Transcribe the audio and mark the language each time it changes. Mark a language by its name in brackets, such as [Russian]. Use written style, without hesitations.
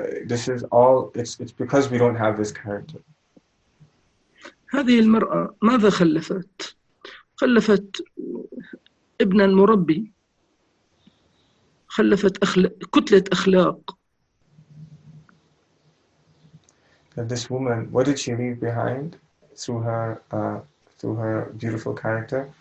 [English] This is all, it's because we don't have this character. [Arabic] هذه المرأة ماذا خلفت؟ خلفت ابنا مربي، خلفت كتلة أخلاق. [English] This woman, what did she leave behind through her beautiful character?